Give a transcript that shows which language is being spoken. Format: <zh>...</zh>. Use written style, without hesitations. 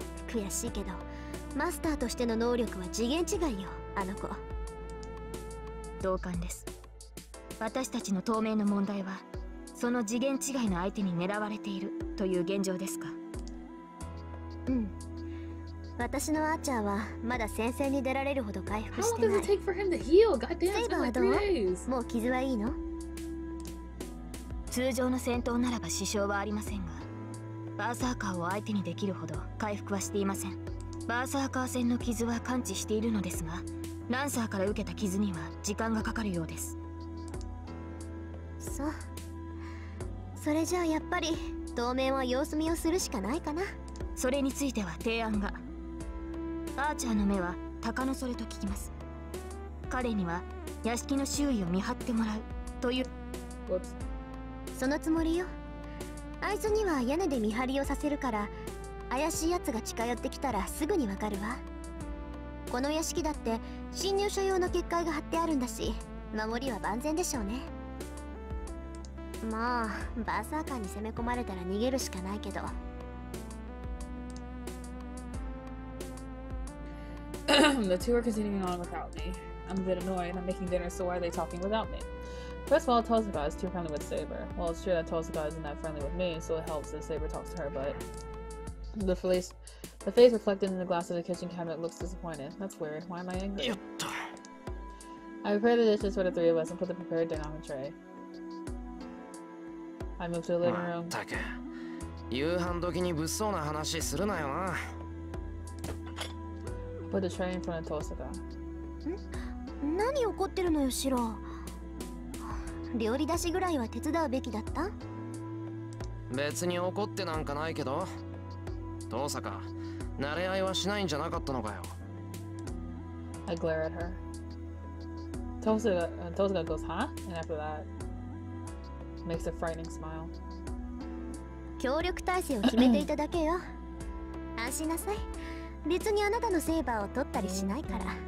<ja>悔しいけど、マスターとしての能力は次元違いよ、あの子。同感です。私たちの当面の問題は、その次元違いの相手に狙われているという現状ですか。うん。私のアーチャーはまだ戦線に出られるほど回復してない。</ja> <en>How long does it take for him to heal? God damn, it's been like 3 days.</en> <ja>もう傷はいいの？通常の戦闘ならば支障はありませんが、バーサーカーを相手にできるほど回復はしていません。バーサーカー戦の傷は感知しているのですが、ランサーから受けた傷には時間がかかるようです。そう。それじゃあやっぱり当面は様子見をするしかないかな。それについては提案が。アーチャーの目は鷹のそれと聞きます。彼には屋敷の周囲を見張ってもらうという。そのつもりよ。あいつには屋根で見張りをさせるから怪しい奴が近寄ってきたらすぐにわかるわ。この屋敷だって侵入者用の結界が張ってあるんだし、守りは万全でしょうね。まあ、バーサーカーに攻め込まれたら逃げるしかないけど。</ja> <en>The two are continuing on without me. I'm a bit annoyed. I'm making dinner, so why are they talking without me? First of all, Tozuka is too friendly with Saber. Well, it's true that Tozuka isn't that friendly with me, so it helps that Saber talks to her, but... The face reflected in the glass of the kitchen cabinet looks disappointed. That's weird. Why am I angry? I prepare the dishes for the three of us and put the prepared dinner on the tray. I move to the living room. Take. You hand looking in with so na hanashi suru na yo na. Put the tray in front of Tosaka.</en> <ja>ん？何怒ってるのよ、シロ。料理出しぐらいは手伝うべきだった？別に怒ってなんかないけど。トーサカ、慣れ合いはしないんじゃなかったのかよ。</ja> <en>I glare at her. Tosaka goes, huh? And after that, makes a frightening smile.</en> <ja>協力体制を決めていただけよ。安心なさい。別にあなたのセーバーを取ったりしないから。</ja>